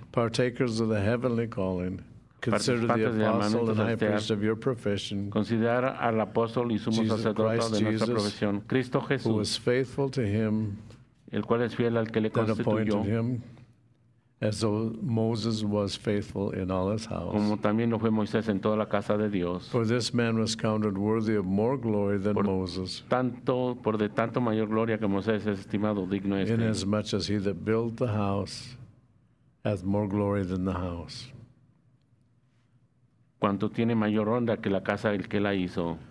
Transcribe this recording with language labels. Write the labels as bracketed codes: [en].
[en] Partakers of the heavenly calling, consider the apostle and high priest of your profession. [es] Considerar al apóstol y sumo sacerdote de nuestra profesión, Cristo Jesús, [en] who was faithful to him, [es] el cual es fiel al que le constituyó, [en] that appointed him, as though Moses was faithful in all his house. [es] Como también lo fue Moisés en toda la casa de Dios. [en] For this man was counted worthy of more glory than Moses. [es] Tanto por de tanto mayor gloria que Moisés es estimado digno este. [en] Inasmuch as he that built the house hath more glory than the house. [es] Cuanto tiene mayor honra que la casa el que la hizo.